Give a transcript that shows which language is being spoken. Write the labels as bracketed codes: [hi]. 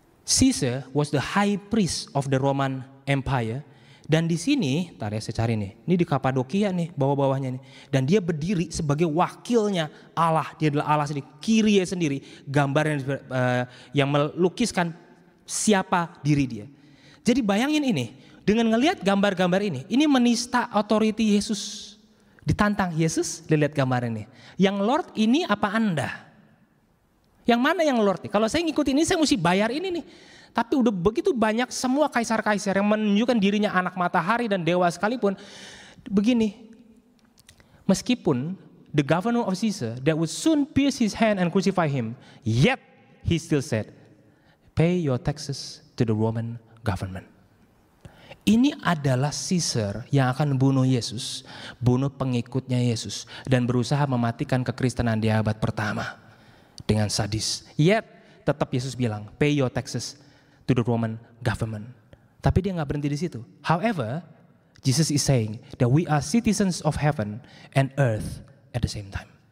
[en] Caesar was the high priest of the Roman Empire. [id] Dan di sini, tar ya saya cari nih. Ini di Kapadokia nih, bawah-bawahnya nih. Dan dia berdiri sebagai wakilnya Allah. Dia adalah Allah sendiri, Kyrie sendiri. Gambar yang melukiskan siapa diri dia. Jadi bayangin ini, dengan ngelihat gambar-gambar ini menista authority Yesus. Ditantang Yesus, lihat gambar ini. Yang Lord ini apa Anda? Yang mana yang Lord nih? Kalau saya ngikutin ini, saya mesti bayar ini nih. Tapi udah begitu banyak semua kaisar-kaisar yang menunjukkan dirinya anak matahari dan dewa sekalipun. Begini, meskipun [en] the governor of Caesar that would soon pierce his hand and crucify him, yet he still said, pay your taxes to the Roman government. [id] Ini adalah Caesar yang akan bunuh Yesus, bunuh pengikutnya Yesus, dan berusaha mematikan kekristenan di abad pertama dengan sadis. [en] Yet [id] tetap Yesus bilang, [en] pay your taxes to the Roman government. [id] Tapi dia gak berhenti di situ. [en] However, Jesus is saying that we are citizens of heaven and earth at the same time.